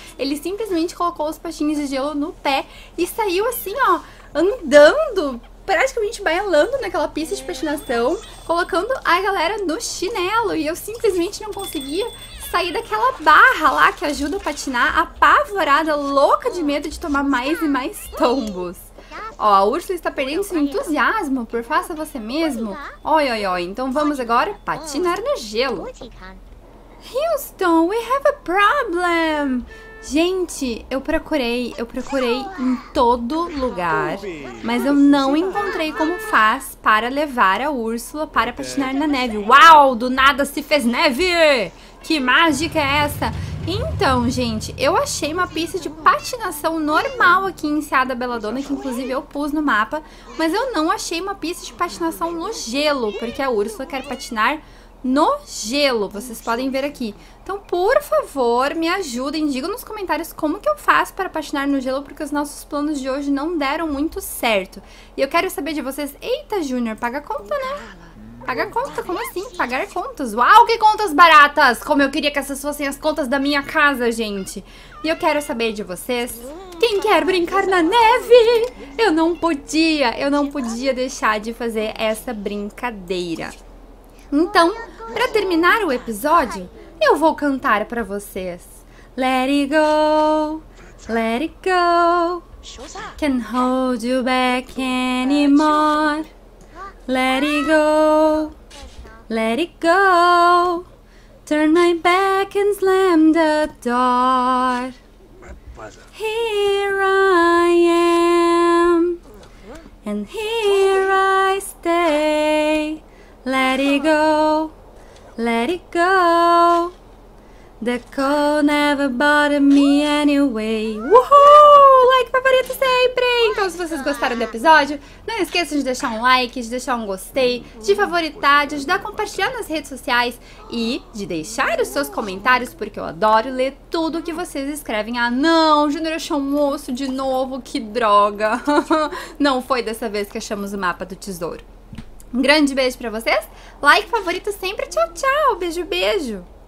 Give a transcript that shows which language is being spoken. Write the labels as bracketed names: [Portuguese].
[Portuguese] Ele simplesmente colocou os patins de gelo no pé e saiu assim, ó, andando, praticamente bailando naquela pista de patinação, colocando a galera no chinelo. E eu simplesmente não conseguia sair daquela barra lá que ajuda a patinar, apavorada, louca de medo de tomar mais e mais tombos. Ó, a Úrsula está perdendo seu entusiasmo por faça você mesmo. Oi, oi, oi. Então vamos agora patinar no gelo. [English] Houston, we have a problem. [Portuguese] Gente, eu procurei em todo lugar, mas eu não encontrei como faz para levar a Úrsula para patinar na neve. Uau, do nada se fez neve. Que mágica é essa? Então, gente, eu achei uma pista de patinação normal aqui em Enseada Bela Dona, que inclusive eu pus no mapa, mas eu não achei uma pista de patinação no gelo, porque a Úrsula quer patinar no gelo, vocês podem ver aqui. Então, por favor, me ajudem, digam nos comentários como que eu faço para patinar no gelo, porque os nossos planos de hoje não deram muito certo. E eu quero saber de vocês... Eita, Júnior, paga a conta, né? Paga conta? Como assim? Pagar contas? Uau, que contas baratas! Como eu queria que essas fossem as contas da minha casa, gente! E eu quero saber de vocês... Quem quer brincar na neve? Eu não podia deixar de fazer essa brincadeira. Então, pra terminar o episódio, eu vou cantar pra vocês. [English] Let it go, let it go, can't hold you back anymore. Let it go, let it go, turn my back and slam the door. Here I am, and here I stay. Let it go, let it go, the cold never bothered me anyway. [Portuguese] Uhul! Like favorito sempre! Então, se vocês gostaram do episódio, não esqueçam de deixar um like, de deixar um gostei, de favoritar, de ajudar a compartilhar nas redes sociais e de deixar os seus comentários, porque eu adoro ler tudo o que vocês escrevem. Ah, não! O Júnior achou um osso de novo, que droga! Não foi dessa vez que achamos o mapa do tesouro. Um grande beijo pra vocês, like favorito sempre, tchau, tchau, beijo, beijo!